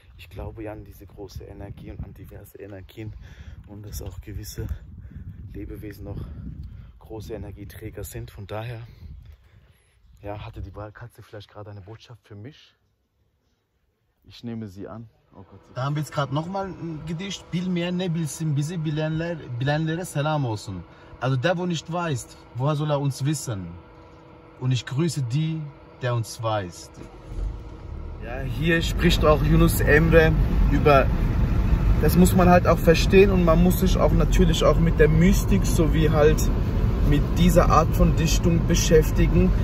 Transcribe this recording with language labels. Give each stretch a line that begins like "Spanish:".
German: Ich glaube ja an diese große Energie und an diverse Energien. Und dass auch gewisse Lebewesen noch große Energieträger sind. Von daher, ja, hatte die Katze vielleicht gerade eine Botschaft für mich. Ich nehme sie an. Oh Gott, da haben wir jetzt gerade nochmal ein Gedicht.
Turkish: Bilmeyen ne bilsin bizi bilenlere selam olsun.
German: Also der, wo nicht weiß, woher soll er uns wissen? Und ich grüße die, der uns weiß. Ja, hier spricht auch Yunus Emre über... Das muss man halt auch verstehen und man muss sich auch natürlich auch mit der Mystik sowie halt mit dieser Art von Dichtung beschäftigen.